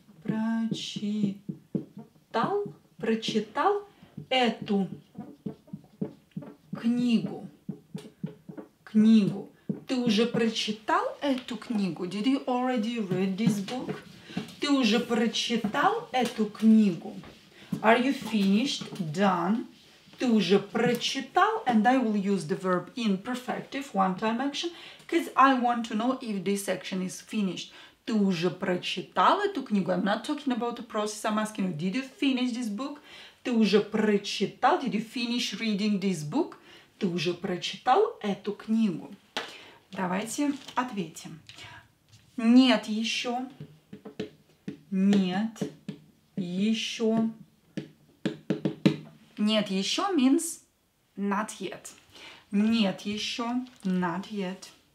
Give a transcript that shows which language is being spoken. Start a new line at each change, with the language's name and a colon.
Russian: Прочитал? Прочитал эту книгу? Книгу. Ты уже прочитал эту книгу?
English: Did you already read this book?
Russian: Ты уже прочитал эту книгу?
English: Are you finished? Done? Ты уже прочитал? And I will use the verb in perfective, one-time action, because I want to know if this action is finished.
Russian: Ты уже прочитал эту книгу?
English: I'm not talking about the process, I'm asking you, did you finish this book? Ты уже прочитал? Did you finish reading this book?
Russian: Ты уже прочитал эту книгу? Давайте ответим. Нет еще. Нет еще.
English: Нет еще means not yet. Нет еще. Not yet.